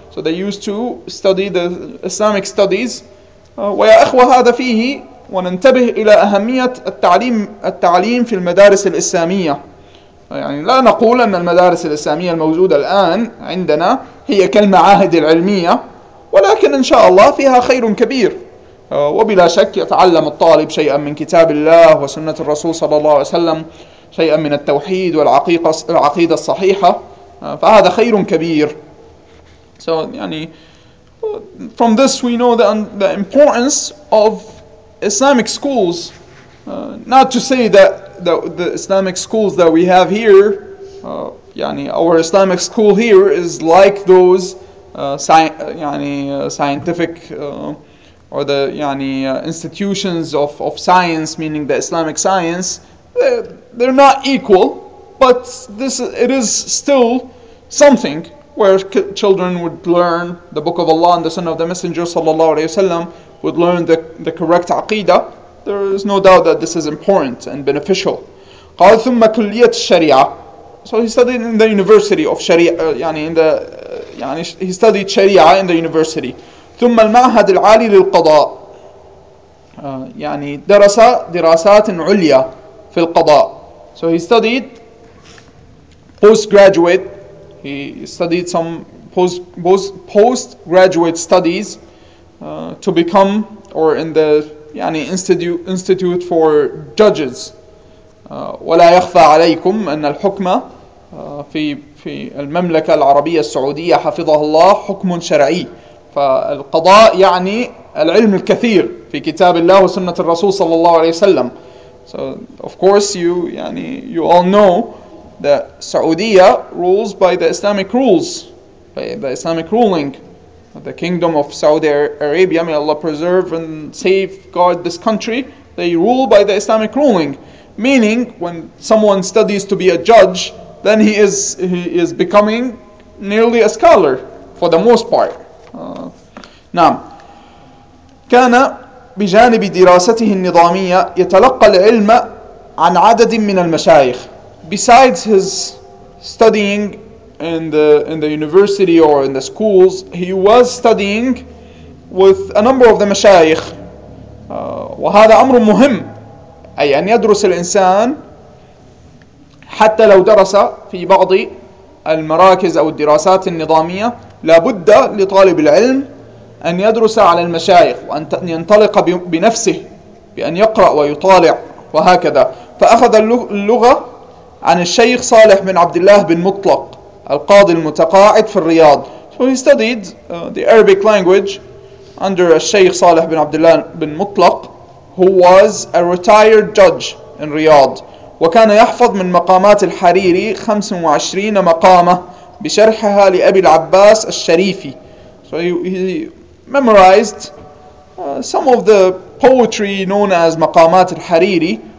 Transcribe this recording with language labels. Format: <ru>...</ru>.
<en>So they used to study the Islamic studies.</en> <ar>ويا أخوة هذا فيه وننتبه إلى أهمية التعليم في المدارس الإسلامية. يعني لا نقول أن المدارس الإسلامية الموجودة الآن عندنا هي كالمعاهد العلمية, ولكن إن شاء الله فيها خير كبير. وبلا شك يتعلم الطالب شيئا من كتاب الله وسنة الرسول صلى الله عليه وسلم, شيئا من التوحيد والعقيدة الصحيحة, فهذا خير كبير.</ar> <en>So</en> <ar>يعني</ar> <en>from this we know the importance of Islamic schools. Not to say that the Islamic schools that we have here,</en> <ar>يعني</ar> <en>our Islamic school here is like those scientific or the يعني institutions of science, meaning the Islamic science, they're not equal, but this it is still something where children would learn the Book of Allah and the Sunnah of the Messenger sallallahu alaihi wasallam, would learn the correct aqidah. There is no doubt that this is important and beneficial.</en> <ar>قال ثم كلية الشريعة.</ar> <en>So he studied in the university of Sharia,</en> <ar>يعني</ar> <en>in the يعني he studied Sharia in the university.</en> <ar>ثم المعهد العالي للقضاء, يعني درس دراسات عليا في القضاء.</ar> <en>So he studied postgraduate, he studied some postgraduate studies to become or in the</en> <ar>يعني</ar> <en>institute for judges.</en> <ar>ولا يخفى عليكم أن الحكم في المملكة العربية السعودية حفظها الله حكم شرعي. فالقضاء يعني العلم الكثير في كتاب الله وسنة الرسول صلى الله عليه وسلم.</ar> <en>So of course you</en> <ar>يعني</ar> <en>you all know that سعودية rules by the Islamic rules, by the Islamic ruling, the kingdom of Saudi Arabia, may Allah preserve and safeguard this country, they rule by the Islamic ruling, meaning when someone studies to be a judge, then he is becoming nearly a scholar for the most part.</en> <ar>نعم. كان بجانب دراسته النظامية يتلقى العلم عن عدد من المشايخ.</ar> <en>Besides his studying in the university or in the schools, he was studying with a number of the مشايخ.</en> <ar>وهذا أمر مهم, أي أن يدرس الإنسان حتى لو درس في بعض المراكز أو الدراسات النظامية, لابد لطالب العلم أن يدرس على المشايخ وأن ينطلق بنفسه بأن يقرأ ويطالع وهكذا. فأخذ اللغة عن الشيخ صالح بن عبد الله بن مطلق القاضي المتقاعد في الرياض.</ar> <en>So he studied the Arabic language under الشيخ صالح بن عبد الله بن مطلق, who was a retired judge in Riyadh.</en> <ar>وكان يحفظ من مقامات الحريري 25 مقامة بشرحها لأبي العباس الشريفي.</ar> <en>So he memorized some of the poetry known as مقامات الحريري,</en>